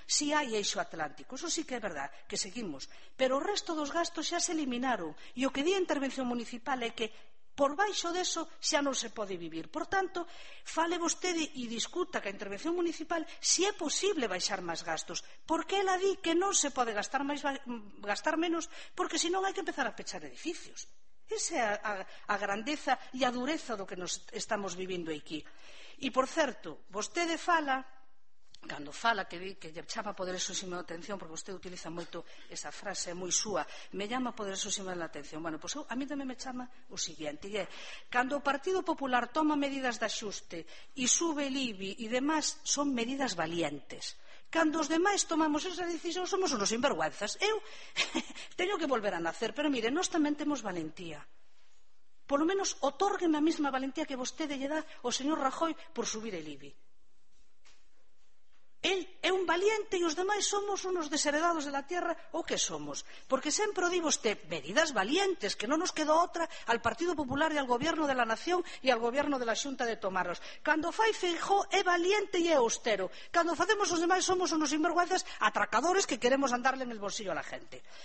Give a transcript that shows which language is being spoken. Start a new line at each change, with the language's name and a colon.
Galician: Si hai Eixo Atlántico. Eso sí que é verdad, que seguimos. Pero o resto dos gastos xa se eliminaron. E o que di a intervención municipal é que por baixo deso xa non se pode vivir. Por tanto, fale vostede e discuta que a intervención municipal se é posible baixar máis gastos. Por que ela di que non se pode gastar menos? Porque senón hai que empezar a pechar edificios. Esa é a grandeza e a dureza do que nos estamos vivindo aquí. E, por certo, vostede fala, cando fala que di que lle chama poderoso xa a atención, porque vostede utiliza moito esa frase, é moi súa,
Spanish: me llama poderoso
Galician: xa a atención. Bueno, pois a mí tamén me chama o seguinte, e é, cando o Partido Popular toma medidas de axuste e sube el IBI e demás,
Spanish: son medidas valientes.
Galician: Cando os demais tomamos esa decisión,
Spanish: somos unos sinvergüenzas.
Galician: Eu teño que volver a nacer, pero mire, nós tamén temos valentía.
Spanish: Por lo menos otórgueme
Galician: a mesma valentía que vostede lle dá o señor Rajoy
Spanish: por subir el IBI.
Galician: Él é un valiente e os demais
Spanish: somos unos desheredados de la tierra,
Galician: ou que somos? Porque sempre o digo este, medidas valientes, que non nos quedou outra al Partido Popular e
Spanish: al Gobierno de la Nación
Galician: e al Gobierno de la Xunta de tomarlos. Cando fai Feijó é valiente e é austero. Cando facemos os demais
Spanish: somos unos sinvergüenzas atracadores que queremos andarle en el bolsillo a la gente.